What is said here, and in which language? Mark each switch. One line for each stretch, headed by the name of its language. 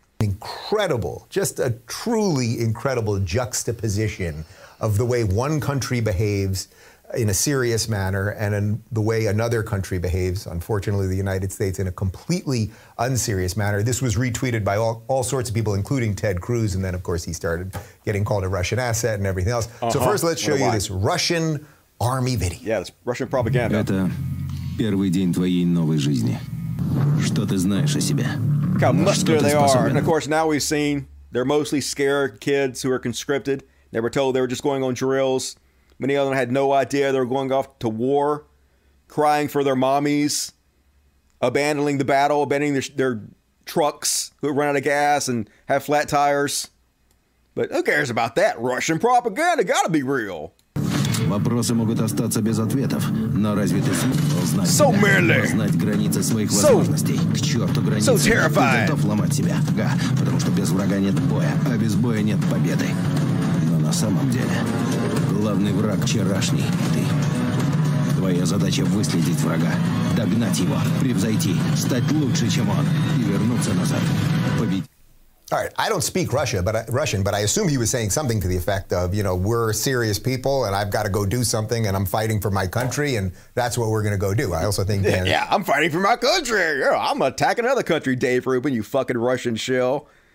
English: Incredible, just a truly incredible juxtaposition of the way one country behaves in a serious manner and in the way another country behaves, unfortunately, the United States, in a completely unserious manner. This was retweeted by all sorts of people, including Ted Cruz. And then, of course, he started getting called a Russian asset and everything else. Uh-huh. So first, let's show you this Russian army video. Yeah, it's Russian propaganda.
Russian: Это первый день твоей новой жизни. Что ты знаешь о себе?
English: Look how muscular they are. And of course, now we've seen they're mostly scared kids who are conscripted. They were told they were just going on drills. Many of them had no idea they were going off to war, crying for their mommies, abandoning the battle, abandoning their trucks who run out of gas and have flat tires. But who cares about that? Russian propaganda gotta be real.
Russian: Вопросы могут остаться без ответов, но разве ты сможешь знать границы своих возможностей? К черту границы!
English: So terrified!
Russian: Готов ломать себя, га, потому что без врага нет боя, а без боя нет победы. Но на самом деле... Главный враг вчерашний – ты. Твоя задача – выследить врага, догнать его, превзойти, стать лучше, чем он, и вернуться назад, победить.
English: All right, I don't speak Russian, but I assume he was saying something to the effect of, you know, we're serious people, and I've got to go do something, and I'm fighting for my country, and that's what we're going to go do. I also think Dan... Yeah, I'm fighting for my country! I'm attacking another country, Dave Rubin, you fucking Russian shill.